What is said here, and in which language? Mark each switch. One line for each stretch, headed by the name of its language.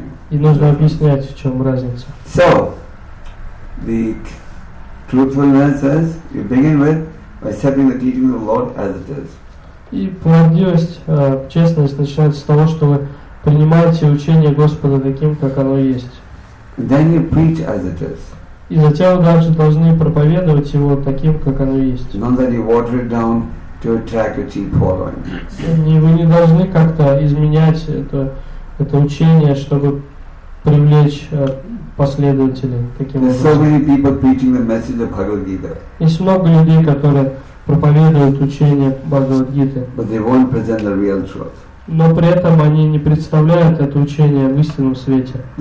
Russian: И нужно объяснять, в чем разница.
English: So, the truthfulness is, you begin with, by accepting the teaching of the Lord as it is.
Russian: И правдивость, честность начинается с того, что вы принимаете учение Господа таким, как оно есть.
English: Then you preach as it is.
Russian: И затем вы также должны проповедовать его таким, как оно есть.
English: Not that you water it down to attract a cheap following.
Russian: Вы не должны как-то изменять это учение, чтобы привлечь последователей таким образом.
English: There's so many people preaching the message of Bhagavad Gita.
Russian: Есть много людей, которые проповедуют учение Бхагавад-гиты.
English: But they won't present the real truth.
Russian: Но при этом они не представляют это учение в истинном свете.